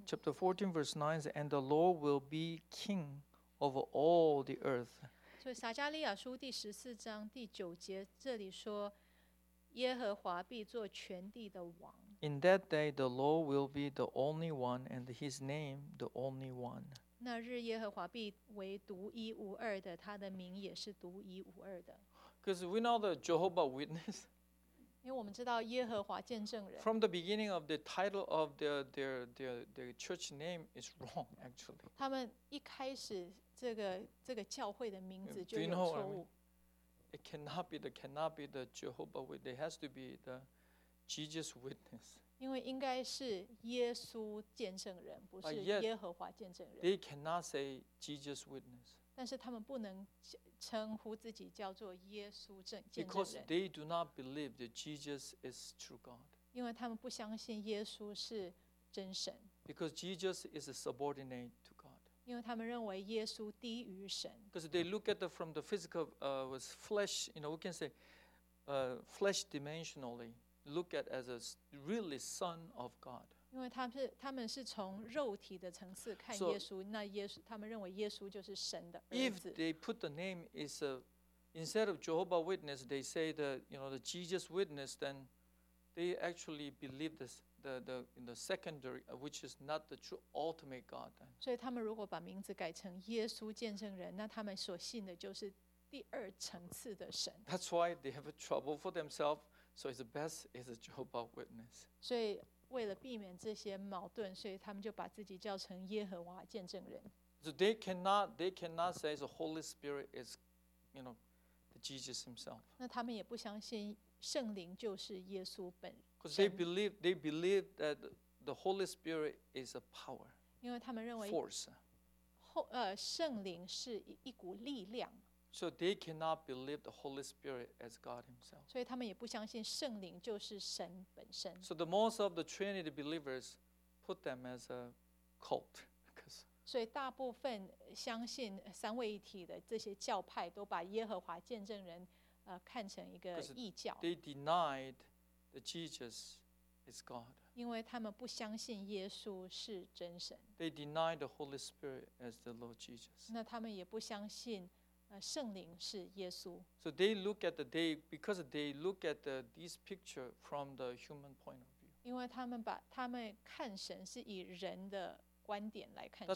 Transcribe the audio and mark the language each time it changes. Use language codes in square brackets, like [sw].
[en] Chapter 14 verse 9 says, And the Lord will be king over all the earth. [zh] 所以撒加利亚书第十四章第九节这里说耶和华必做全地的王。 [en] In that day the Lord will be the only one and his name the only one. [zh] 那日耶和华必为独一无二的他的名也是独一无二的。 [en] Because we know the Jehovah Witness. [zh] 因为我们知道耶和华见证人。 [en] From the beginning of the title of their church name is wrong actually. [zh] 他们一开始这个教会的名字就有错误。 [en] Do you know what I mean? It cannot be the Jehovah Witness. It has to be the Jesus Witness. [zh] 因为应该是耶稣见证人，不是耶和华见证人。 [en] They cannot say Jesus Witness. [zh] 但是他们不能称呼自己叫做耶稣见证人。 [en] Because they do not believe that Jesus is true God. [zh] 因为他们不相信耶稣是真神。 [en] Because Jesus is a subordinate to God. [zh] 因为他们认为耶稣低于神。 [en] Because they look at it from the physical, was flesh, you know, we can say, flesh dimensionally, look at as a really son of God. [zh] 因为他们是从肉体的层次看耶稣，那耶稣他们认为耶稣就是神的儿子。 [en] If they put the name is a, instead of Jehovah Witness, they say the, you know, the Jesus Witness, then they actually believe this. The secondary, which is not the true ultimate God. So, if they change the name to Jesus Witness, then they believe in the second level of God. That's why they have trouble for themselves. So, it's best is a Jehovah Witness. So, to avoid these conflicts, they call themselves Jehovah Witness. So, they cannot say the Holy Spirit is, you know, the Jesus Himself. Then they also don't believe the Holy Spirit is Jesus Himself. Because they believe that the Holy Spirit is a power, force. [zh] 圣灵是一股力量。 [en] So they cannot believe the Holy Spirit as God Himself. [zh] 所以他们也不相信圣灵就是神本身。 [en] So the most of the Trinity believers put them as a cult, because. [zh] 所以大部分相信三位一体的这些教派都把耶和华见证人，看成一个异教。 [en] They denied. Jesus is God. [zh] 因为他们不相信耶稣是真神。 [en] They deny the Holy Spirit as the Lord Jesus. [zh] 那他们也不相信，圣灵是耶稣。 [en] So they look at the day because they look at the, this picture from the human point of view. [zh] 因为他们看神是以人的观点来看神。